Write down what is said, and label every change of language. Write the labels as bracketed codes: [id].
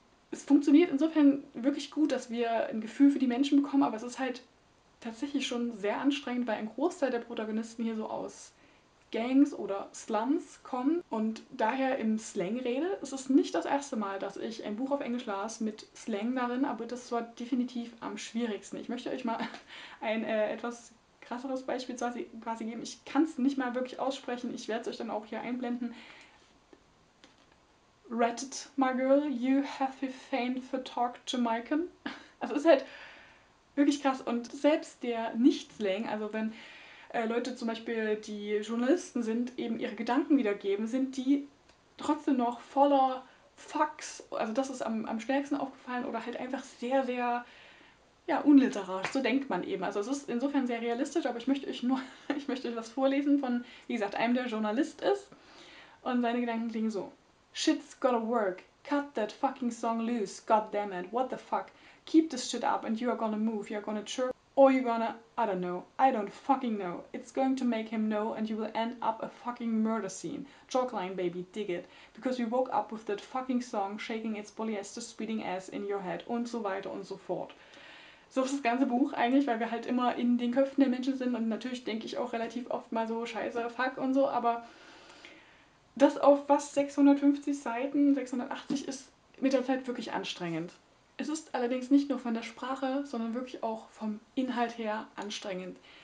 [de] Es funktioniert insofern wirklich gut, dass wir ein Gefühl für die Menschen bekommen, aber es ist halt tatsächlich schon sehr anstrengend, weil ein Großteil der Protagonisten hier so aus Gangs oder Slums kommen und daher im Slang rede. Es ist nicht das erste Mal, dass ich ein Buch auf Englisch las mit Slang darin, aber das war definitiv am schwierigsten. Ich möchte euch mal ein etwas krasseres Beispiel quasi geben. Ich kann es nicht mal wirklich aussprechen, ich werde es euch dann auch hier einblenden. [en] Ratted, my girl, you have fain for talk Jamaican. [de] Also es ist halt wirklich krass und selbst der Nicht-Slang, also wenn Leute zum Beispiel, die Journalisten sind, eben ihre Gedanken wiedergeben, sind die trotzdem noch voller Fucks, also das ist am stärksten aufgefallen, oder halt einfach sehr, sehr, ja, unliterarisch, so denkt man eben. Also es ist insofern sehr realistisch, aber ich möchte euch was vorlesen von, wie gesagt, einem, der Journalist ist, und seine Gedanken klingen so. [en] Shit's gotta work. Cut that fucking song loose. God damn it. What the fuck? Keep this shit up and you are gonna move. You are gonna chirp. Or you're gonna, I don't know. I don't fucking know. It's going to make him know and you will end up a fucking murder scene. Chalkline, baby, dig it. Because you woke up with that fucking song shaking its polyester speeding ass in your head. [de] Und so weiter und so fort. So ist das ganze Buch eigentlich, weil wir halt immer in den Köpfen der Menschen sind und natürlich denke ich auch relativ oft mal so scheiße, fuck und so, aber das auf fast 650 Seiten, 680, ist mit der Zeit wirklich anstrengend. Es ist allerdings nicht nur von der Sprache, sondern wirklich auch vom Inhalt her anstrengend.